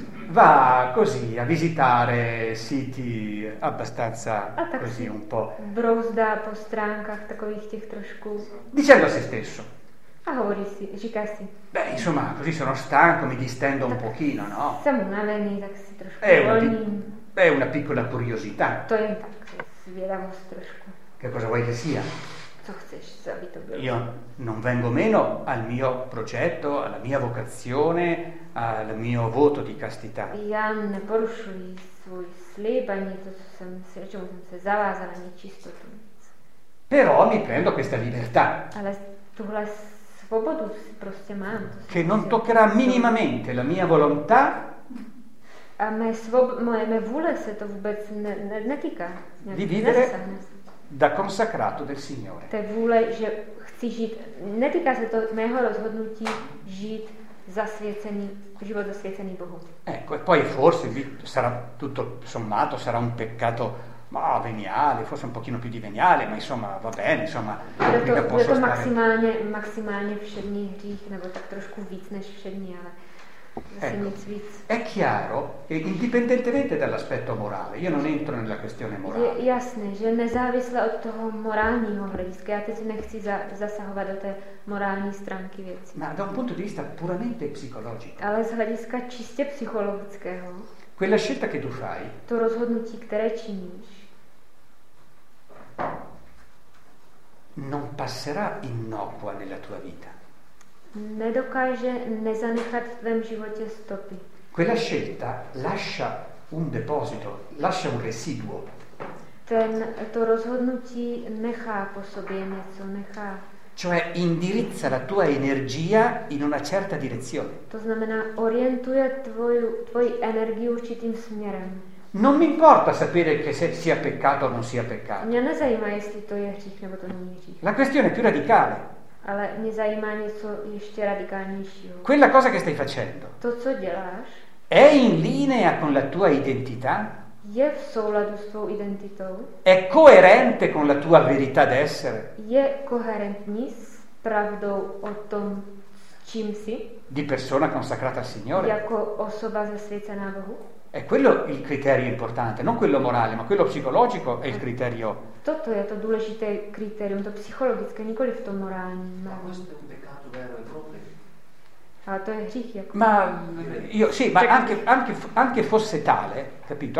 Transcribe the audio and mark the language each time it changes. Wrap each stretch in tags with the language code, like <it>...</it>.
<it>Va così a visitare siti abbastanza così un po'</it> <cs>brouzdá po stránkách takových těch trošku</cs> <it>dicendo a se stesso.</it> <cs>A hovorí si, říká si.</cs> <it>Beh, insomma, così sono stanco, mi distendo un pochino, no?</it> <cs>Siamo unavení, tak si trošku uvolním.</cs> <it>È una piccola curiosità.</it> <cs>To je tak, zvědavost trošku.</cs> <it>Che cosa vuoi che sia?</it> <cs>Co chceš, se aby to bylo?</cs> <it>Io non vengo meno al mio progetto, alla mia vocazione, al mio voto di castità.</it> <cs>Já neporušuji svůj slib, ani to, co jsem si, čemu jsem se zavázal, ani čistotu.</cs> <it>Però mi prendo questa libertà.</it> <cs>Ale tuhle svobodu prostě mám.</cs> <it>Che non toccherà minimamente la mia volontà.</it> <cs>A mé vůle se to vůbec netýká.</cs> <it>Di vivere da consacrato del Signore.</it> <cs>Té vůle, že chci žít, netýká se to mého rozhodnutí žít zasvěcený, život zasvěcený Bohu.</cs> <it>Ecco, e poi forse sarà tutto sommato, sarà un peccato ma veniale, forse un pochino più di veniale, ma insomma, va bene, insomma, mica posso stare.</it> <cs>Maximálně všední hřích, nebo tak trošku víc než všední, ale</cs> <it>ecco,</it> <cs>nic víc.</cs> <it>È chiaro, e indipendentemente dall'aspetto morale, io non entro nella questione morale.</it> <cs>Je jasné, že nezávisle od toho morálního hlediska, já teď nechci zasahovat do té morální stránky věcí.</cs> <it>Ma da un punto di vista puramente psicologico.</it> <cs>Ale z hlediska čistě psychologického.</cs> <it>Quella scelta che tu fai,</it> <cs>to rozhodnutí, které činíš,</cs> <it>non passerà innocua nella tua vita.</it> <cs>Nedokáže nezanechat v tvém životě stopy.</cs> <it>Quella scelta lascia un deposito, lascia un residuo.</it> <cs>To rozhodnutí nechá po sobě něco, nechá.</cs> <it>Cioè indirizza la tua energia in una certa direzione.</it> <cs>To znamená, orientuje tvoji energii určitým směrem.</cs> <it>Non mi importa sapere che se sia peccato o non sia peccato.</it> <cs>Mě nezajímá, jestli to je hřích nebo to není hřích.</cs> <it>La questione è più radicale.</it> <cs>Ale mě zajímá něco ještě radikálnějšího.</cs> <it>Quella cosa che stai facendo.</it> <cs>To, co děláš.</cs> <it>È in linea con la tua identità?</it> <cs>Je v souladu s tvou identitou?</cs> <it>È coerente con la tua verità d'essere?</it> <cs>Je koherentní s pravdou o tom, čím jsi?</cs> <it>Di persona consacrata al Signore?</it> <cs>Jako osoba zasvěcená Bohu?</cs> <it>È quello il criterio importante, non quello morale, ma quello psicologico è il criterio.</it> <cs>Toto je to důležité kritérium, to psychologické, nikoli v tom morální.</cs> <it>Ma questo è un peccato vero e proprio.</it> <cs>Ah, to è hřích, jako.</cs> <it>Ma io sì, ma anche fosse tale, capito?</it>